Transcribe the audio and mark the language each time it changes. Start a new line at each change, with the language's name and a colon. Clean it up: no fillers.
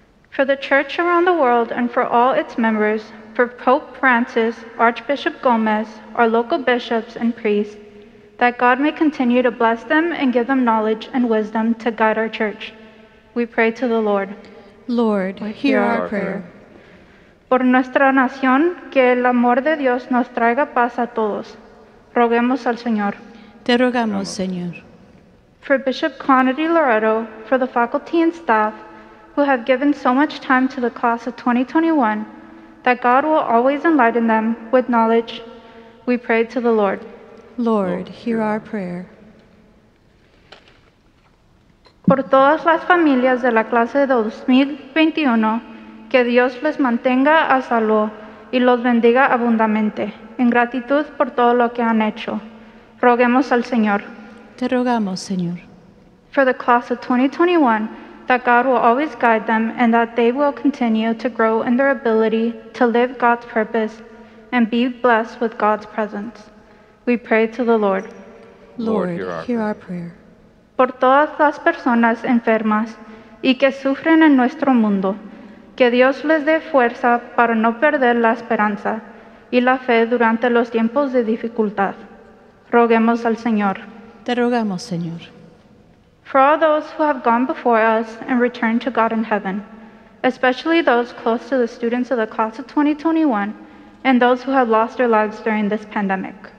English: For the church around the world and for all its members, for Pope Francis, Archbishop Gomez, our local bishops and priests, that God may continue to bless them and give them knowledge and wisdom to guide our church. We pray to the Lord. Lord, hear our prayer.
Spanish: Por nuestra nación, que el amor de Dios nos traiga paz a todos. Roguemos al Señor. Te rogamos, Señor.
English: For Bishop Conaty Loretto, for the faculty and staff who have given so much time to the class of 2021, that God will always enlighten them with knowledge, we pray to the Lord. Lord, hear our prayer.
Spanish: Por todas las familias de la clase 2021, que Dios les mantenga a salvo y los bendiga abundantemente, en gratitud por todo lo que han hecho. Roguemos al Señor. Te rogamos, Señor.
English: For the class of 2021, that God will always guide them and that they will continue to grow in their ability to live God's purpose and be blessed with God's presence. We pray to the Lord. Lord, hear our prayer.
Spanish: Por todas las personas enfermas y que sufren en nuestro mundo, que Dios les dé fuerza para no perder la esperanza y la fe durante los tiempos de dificultad. Roguemos al Señor. Te rogamos, Señor.
English: For all those who have gone before us and returned to God in heaven, especially those close to the students of the class of 2021 and those who have lost their lives during this pandemic.